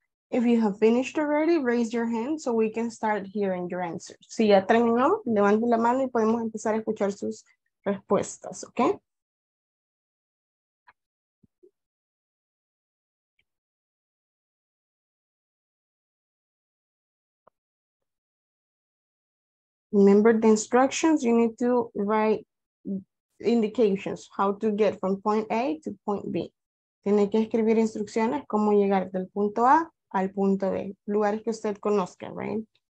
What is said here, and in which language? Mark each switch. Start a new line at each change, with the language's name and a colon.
English: If you have finished already, raise your hand so we can start hearing your answers.
Spanish: Si ya terminó, levante la mano y podemos empezar a escuchar sus respuestas, ¿ok?
English: Remember the instructions, you need to write indications, how to get from point A to point B.
Spanish: Tiene que escribir instrucciones, cómo llegar del punto A al punto B, lugares que usted conozca, right?